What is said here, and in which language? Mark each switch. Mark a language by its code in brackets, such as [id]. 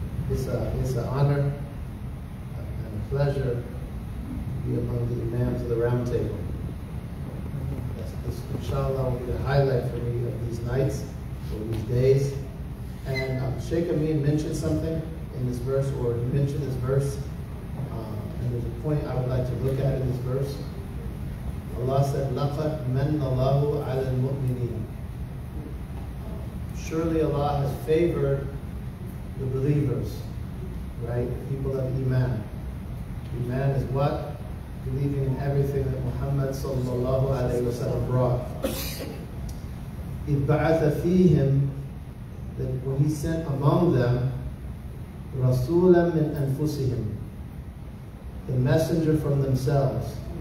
[en] It's an honor and a pleasure to be among the Imams of the Roundtable. This, inshallah, will be the highlight for me of these nights, or these days. And Sheikh Amin mentioned something in this verse, or he mentioned this verse, and there's a point I would like to look at in this verse. Allah said, [ar] لَقَدْ مَنَّ اللَّهُ عَلَى الْمُؤْمِنِينَ. [en] Surely Allah has favored the believers. right? The people of Iman. Iman is what? Believing in everything that Muhammad sallallahu alayhi wa sallam brought. [ar] Ibba'atha fihim, [en] that when he sent among them, [ar] Rasulam min anfusihim, [en] the messenger from themselves.